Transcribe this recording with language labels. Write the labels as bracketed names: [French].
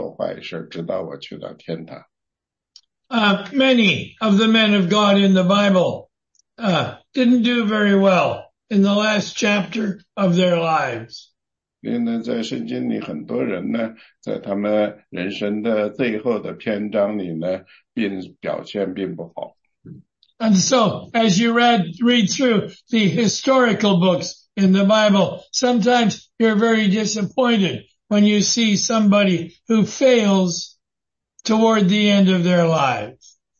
[Chinese] 因为我们所以说,主啊,我现在开始呢,要您呢保守我去,不去做坏事,直到我去到天堂。 [English] Many of the men of God in the Bible didn't do very well in the last chapter of their lives. [Chinese] 因为呢,在圣经里很多人呢,在他们人生的最后的篇章里呢,表现并不好。 [English] And so, as you read through the historical books in the Bible, sometimes you're very disappointed when you see somebody who fails toward the end of their lives.